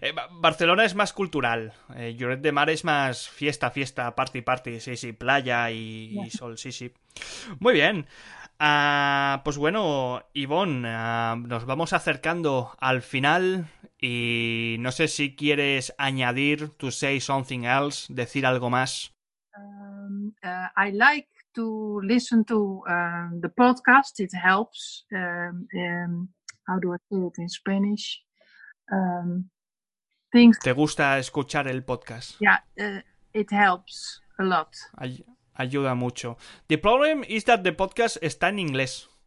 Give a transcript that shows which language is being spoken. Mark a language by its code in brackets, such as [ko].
[es] Barcelona es más cultural. Lloret de Mar es más fiesta, party, sí, sí, playa y, yeah. Y sol, sí, sí. Muy bien. Pues bueno, Ivonne, nos vamos acercando al final y no sé si quieres añadir [en] to say something else, [es] decir algo más. [en] I like to listen to the podcast. It helps. How do I say it in Spanish? Things. [es] ¿Te gusta escuchar el podcast? [en] Yeah, it helps a lot. [es] Ayuda mucho. [en] The problem is that the podcast [es] está en inglés.